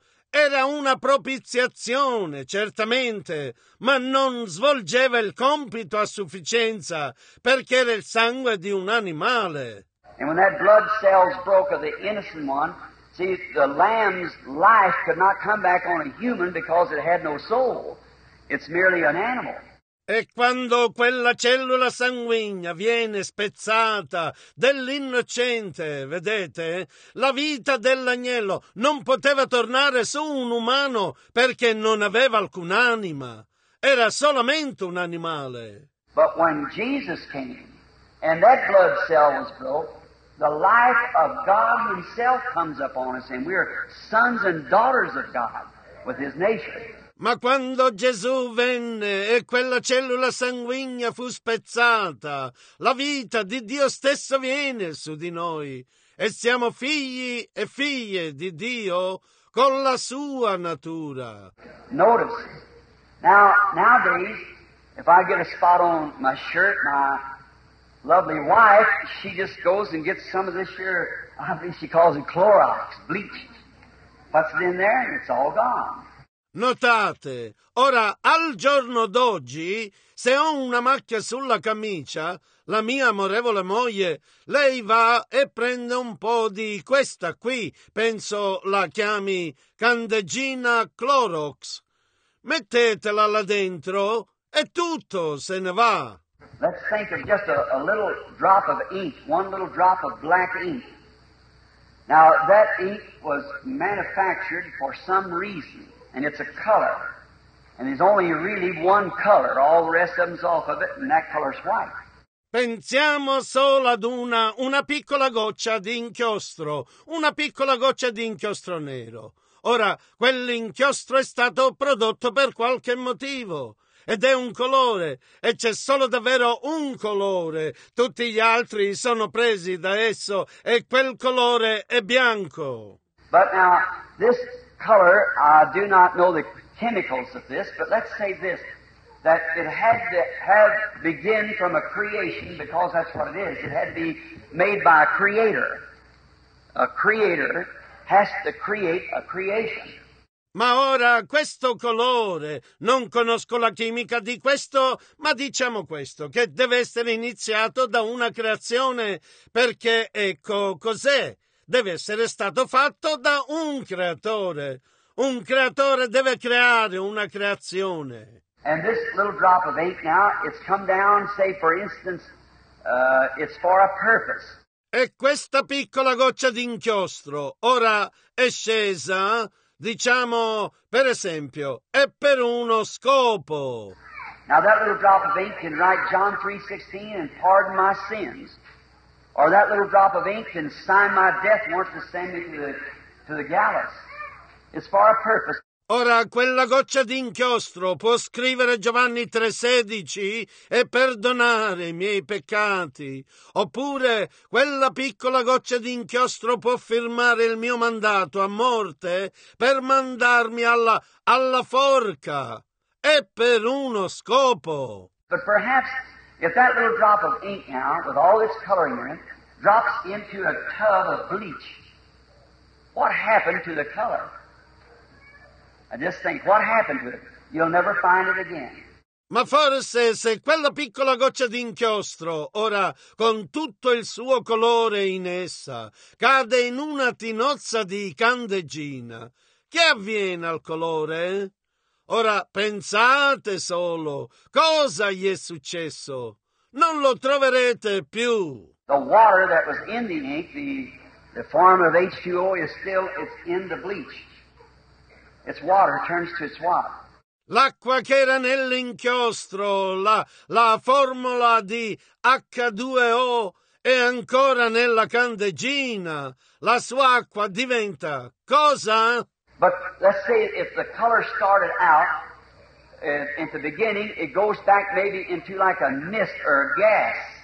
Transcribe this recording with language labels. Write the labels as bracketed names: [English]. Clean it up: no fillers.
[Italian] Era una propiziazione, certamente, ma non svolgeva il compito a sufficienza perché era il sangue di un animale. [English] And when that blood cells broke of the innocent one, see, the lamb's life could not come back on a human because it had no soul. It's merely an animal. [Italian] E quando quella cellula sanguigna viene spezzata dell'innocente, vedete, la vita dell'agnello non poteva tornare su un umano perché non aveva alcun'anima. Era solamente un animale. [English] But when Jesus came and that blood cell was broke, the life of God himself comes upon us and we are sons and daughters of God with his nature. [Italian] Ma quando Gesù venne e quella cellula sanguigna fu spezzata, la vita di Dio stesso viene su di noi e siamo figli e figlie di Dio con la sua natura. [English] Notice, now, nowadays, if I get a spot on my shirt, my lovely wife, she just goes and gets some of this here, I think she calls it Clorox, bleach, puts it in there and it's all gone. [Italian] Notate, ora al giorno d'oggi, se ho una macchia sulla camicia, la mia amorevole moglie, lei va e prende un po' di questa qui, penso la chiami candeggina Clorox, mettetela là dentro e tutto se ne va. [English] Let's think of just a little drop of ink, one little drop of black ink. Now, that ink was manufactured for some reason. And it's a color, and there's only really one color. All the rest of them's off of it, and that color's white. [Italian] Pensiamo solo ad una piccola goccia di inchiostro, una piccola goccia di inchiostro nero. Ora, quell'inchiostro è stato prodotto per qualche motivo, ed è un colore, e c'è solo davvero un colore. Tutti gli altri sono presi da esso, e quel colore è bianco. [English] But now, this color, I do not know the chemicals of this, but let's say this, that it had to have begin from a creation, because that's what it is. It had to be made by a creator. A creator has to create a creation. [Italian] Ma ora questo colore, non conosco la chimica di questo, ma diciamo questo, che deve essere iniziato da una creazione, perché ecco cos'è. Deve essere stato fatto da un creatore. Un creatore deve creare una creazione. [English] And this little drop of ink now, it's come down, say for instance, it's for a purpose. [Italian] E questa piccola goccia d'inchiostro ora è scesa, diciamo, per esempio, è per uno scopo. [English] Now that little drop of ink can write John 3:16 and pardon my sins. Or that little drop of ink can sign my death warrant to send me to the gallows. It's for a purpose. [Italian] Ora, quella goccia d'inchiostro può scrivere Giovanni 3,16 e perdonare i miei peccati. Oppure quella piccola goccia d'inchiostro può firmare il mio mandato a morte per mandarmi alla forca. E per uno scopo. [English] But perhaps if that little drop of ink now, with all its coloring in it, drops into a tub of bleach, what happened to the color? I just think, what happened to it? You'll never find it again. [Italian] Ma forse se quella piccola goccia d'inchiostro, ora con tutto il suo colore in essa, cade in una tinozza di candeggina, che avviene al colore? Ora pensate solo, cosa gli è successo? Non lo troverete più. [English] The water that was in the ink, the form of H2O is still, it's in the bleach. Its water turns to its water. [Italian] L'acqua che era nell'inchiostro, la formula di H2O è ancora nella candeggina. La sua acqua diventa cosa? [English] But let's say if the color started out at the beginning, it goes back maybe into like a mist or a gas.